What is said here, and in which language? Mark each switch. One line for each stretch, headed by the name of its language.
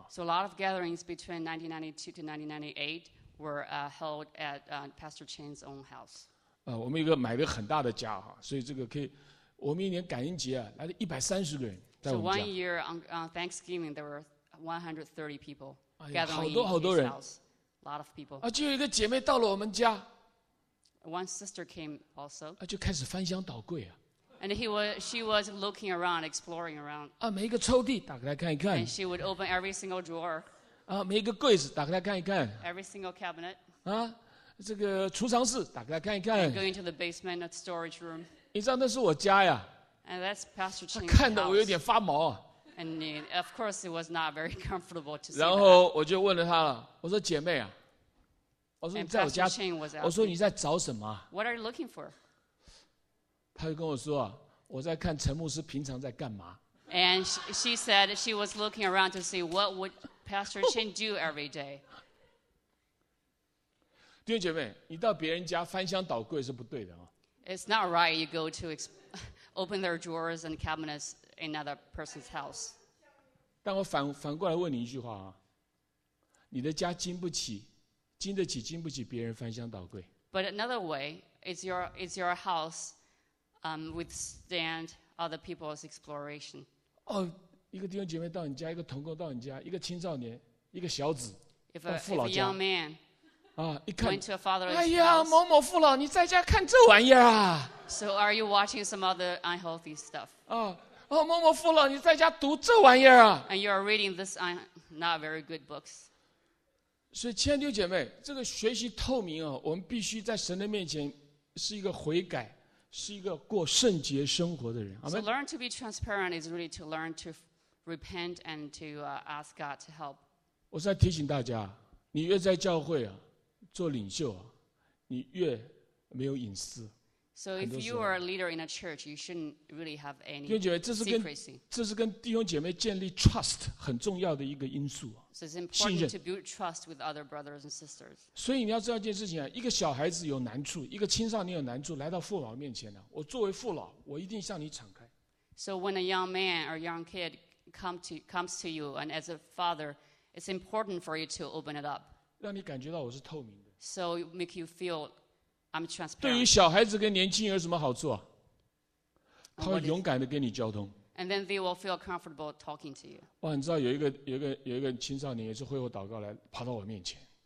English: So a lot of gatherings between 1992 to 1998,were held at Pastor Chen's own house.
Chinese: 我们一个买了很大的家哈，所以这个可以，我们一年感恩节啊，来了130个人在我们家。
English: So one year on Thanksgiving there were 130 people gathering in his house.
Chinese: 好多好多人。
English: A lot of people.
Chinese: 就有一个姐妹到了我们家。
English: One sister came also.
Chinese: 就开始翻箱倒柜啊。
English: And she was looking around, exploring around.
Chinese: 每一个抽屉打开来看一看。
English: And she would open every single drawer.
Chinese: 每一个柜子打开来看一看。
English: Every single cabinet.
Chinese: 这个储藏室打开来看一看。
English: And going to the basement of storage room.
Chinese: 你知道那是我家呀。
English: And that's Pastor Chen's house.
Chinese: 看得我有点发毛。
English: And of course it was not very comfortable to see.
Chinese: 然后我就问了他了，我说姐妹啊，我说你在我家，我说你在找什么
English: ？What are you looking for?
Chinese: 他就跟我说啊，我在看陈牧师平常在干嘛。
English: And she said she was looking around to see what would. Pastor Chen do every day.
Chinese: 弟兄姐妹，你到别人家翻箱倒柜是不对的啊。
English: It's not right you go to open their drawers and cabinets in another person's house.
Chinese: 但我反过来问你一句话啊，你的家经得起别人翻箱倒柜
English: ？But another way, is your house withstand other people's exploration?
Chinese: 一个弟兄姐妹到你家，一个同工到你家，一个青少年，一个小子到父老家
English: if a young man
Chinese: 一看
English: went to a father's
Chinese: 哎呀某某父老你在家看这玩意儿啊
English: so are you watching some other unhealthy stuff
Chinese: 某某父老你在家读这玩意儿啊
English: and you are reading this not very good books
Chinese: 所以亲爱的弟兄姐妹这个学习透明我们必须在神的面前是一个悔改是一个过圣洁生活的人
English: So learn to be transparent is really to learn to repent and to ask God to help
Chinese: 我是在提醒大家你越在教会做领袖你越没有隐私
English: So if you are a leader in a church you shouldn't really have any secrecy
Chinese: 弟兄姐妹这是跟弟兄姐妹建立 trust 很重要的一个因素
English: So it's important to build trust with other brothers and sisters
Chinese: 所以你要知道一件事情一个小孩子有难处一个青少年有难处来到父老面前我作为父老我一定向你敞开
English: So when a young man or young kidcomes to you and as a father it's important for you to open it up
Chinese: 让你感觉到我是透明的
English: so make you feel I'm transparent
Chinese: 对于小孩子跟年轻人有什么好处他会勇敢地跟你交通
English: and then they will feel comfortable talking to you
Chinese: 你知道有一个青少年也是会后祷告来爬到我面前